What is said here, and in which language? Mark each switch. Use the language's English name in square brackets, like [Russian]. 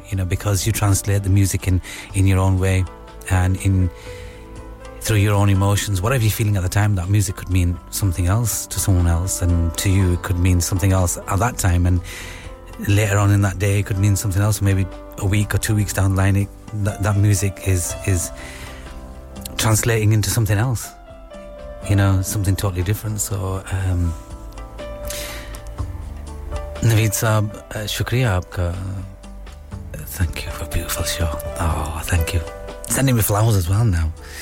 [English] You know, because you translate the music in your own way, and in through your own emotions, whatever you're feeling at the time, that music could mean something else to someone else, and to you it could mean something else at that time, and later on in that day it could mean something else. Maybe a week or 2 weeks down the line, that music is translating into something else, you know, something totally different. [Urdu] So نوید صاحب، شکریہ آپکا۔ [English] Thank you for a beautiful show. Oh, thank you. Sending me flowers as well now.